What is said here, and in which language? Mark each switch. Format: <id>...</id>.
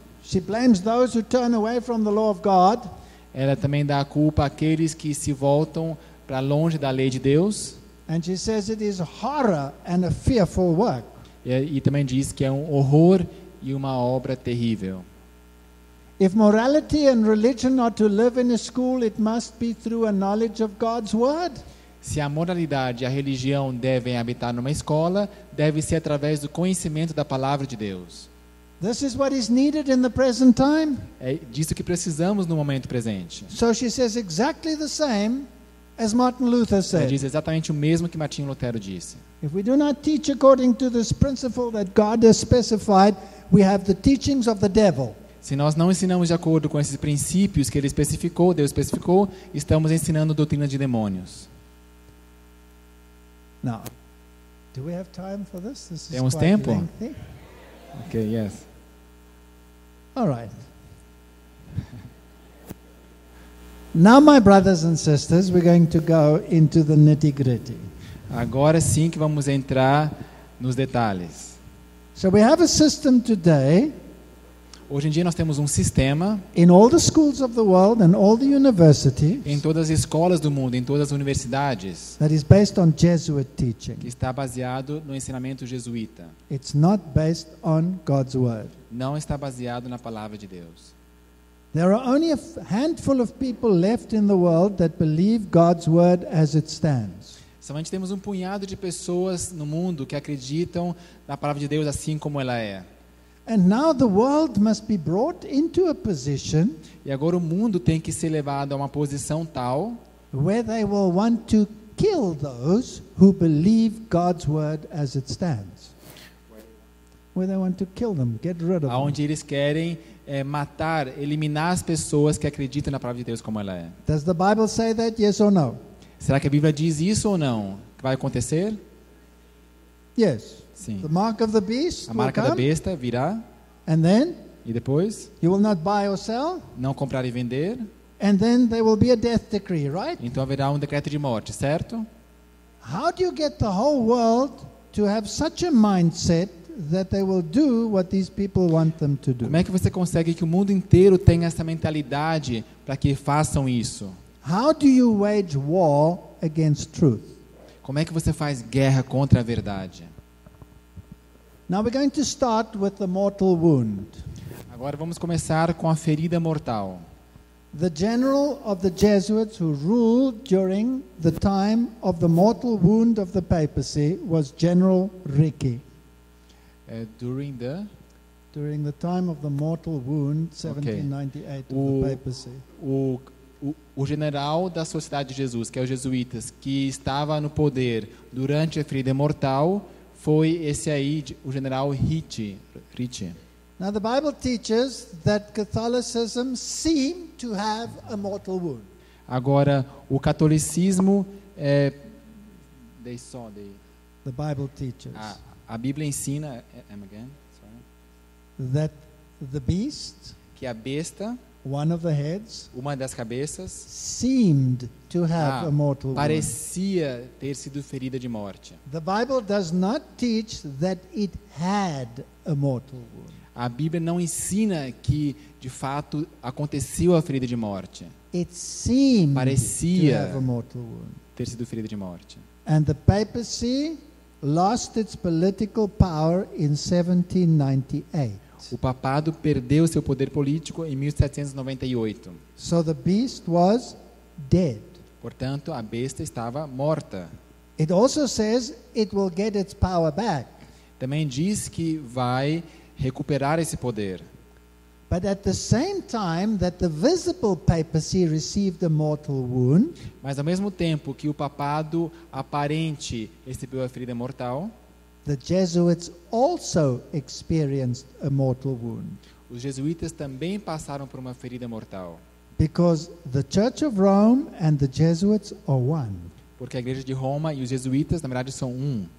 <en>She blames those who turn away from the law of God.</en> <pt>Ela também dá a culpa àqueles que se voltam para longe da lei de Deus.</pt> <en>And she says it is horror and a fearful work.</en> <pt>E também diz que é um horror e uma obra terrível.</pt> <en>If morality and religion are to live in a school, it must be through a knowledge of God's word.</en> <pt>Se a moralidade e a religião devem habitar numa escola, deve ser através do conhecimento da palavra de Deus.</pt> <en>This is what is needed in the present time.</en> <pt>É disso que precisamos no momento presente.</pt> <en>So she says exactly the same as Martin Luther said.</en> <pt>Ela diz exatamente o mesmo que Martinho Lutero disse.</pt> <en>If we do not teach according to this principle that God has specified, we have the teachings of the devil.</en> <pt>Se nós não ensinamos de acordo com esses princípios que ele especificou, Deus especificou, estamos ensinando doutrina de demônios.</pt> <en>Now, do we have time for this? This is</en> <pt>temos</pt> <en>quite</en> <pt>tempo?</pt> <en>Lengthy. Okay, yes. All right. Now, my brothers and sisters, we're going to go into the nitty-gritty.</en> <pt>Agora sim que vamos entrar nos detalhes.</pt> <en>So we have a system today.</en> <pt>Hoje em dia nós temos um sistema.</pt> <en>In all the schools of the world and all the universities.</en> <pt>Em todas as escolas do mundo, em todas as universidades.</pt> <en>That is based on Jesuit teaching.</en> <pt>Que está baseado no ensinamento jesuíta.</pt> <en>It's not based on God's word.</en> <pt>Não está baseado na palavra de Deus.</pt> <en>There are only a handful of people left in the world that believe God's word as it stands.</en> <pt>Somente temos um punhado de pessoas no mundo que acreditam na palavra de Deus assim como ela é.</pt> <en>And now the world must be brought into a position.</en> <pt>E agora o mundo tem que ser levado a uma posição tal</pt> <en>where they will want to kill those who believe God's word as it stands. Where they want to kill them, get rid of.</en> <pt>Aonde eles querem matar, eliminar as pessoas que acreditam na palavra de Deus como ela é.</pt> <en>Does the Bible say that, yes or no?</en> <pt>Será que a Bíblia diz isso ou não? Que vai acontecer?</pt> <en>Yes.</en> <pt>Sim.</pt> <en>The mark of the beast.</en> <pt>A marca</pt> <en>will</en> <pt>da besta virá.</pt> <en>And then?</en> <pt>E depois?</pt> <en>You will not buy or sell.</en> <pt>Não comprar e vender.</pt> <en>And then there will be a death decree, right?</en> <pt>Então haverá um decreto de morte, certo?</pt> <en>How do you get the whole world to have such a mindset that they will do what these people want them to do?</en> <pt>Como é que você consegue que o mundo inteiro tenha essa mentalidade para que façam isso?</pt> <en>How do you wage war against truth?</en> <pt>Como é que você faz guerra contra a verdade?</pt> <en>Now we're going to start with the mortal wound.</en> <pt>Agora vamos começar com a ferida mortal.</pt> <en>The general of the Jesuits who ruled during the time of the mortal wound of the papacy was General Ricci. During the time of the mortal wound, 1798, okay. Of the papacy.</en> <pt>O general da Sociedade de Jesus, que é os jesuítas, que estava no poder durante a ferida mortal, foi esse aí, o general Ricci.</pt> <en>Now the Bible teaches that Catholicism seemed to have a mortal wound.</en> <pt>Agora, o catolicismo é...</pt> <en>They saw the... The Bible teaches.</en> <pt>A Bíblia ensina...</pt> <en>again, sorry. That the beast...</en> <pt>Que a besta...</pt> <en>One of the heads...</en> <pt>Uma das cabeças...</pt> <en>Seemed to have a mortal wound.</en> <pt>Parecia ter sido ferida de morte.</pt> <en>The Bible does not teach that it had a mortal wound.</en> <pt>A Bíblia não ensina que, de fato, aconteceu a ferida de morte.</pt> <en>It seemed</en> <pt>parecia</pt> <en>to have a mortal wound.</en> <pt>Ter sido ferida de morte.</pt> <en>And the papacy lost its political power in 1798.</en> <pt>O papado perdeu seu poder político em 1798.</pt> <en>So the beast was dead.</en> <pt>Portanto, a besta estava morta.</pt> <en>It also says it will get its power back.</en> <pt>Também diz que vai recuperar esse poder.</pt> <en>But at the same time that the visible papacy received a mortal wound,</en> <pt>mas ao mesmo tempo que o papado aparente recebeu a ferida mortal,</pt> <en>the Jesuits also experienced a mortal wound.</en> <pt>Os jesuítas também passaram por uma ferida mortal.</pt> <en>Because the Church of Rome and the Jesuits are one.</en> <pt>Porque a Igreja de Roma e os jesuítas na verdade são um.</pt>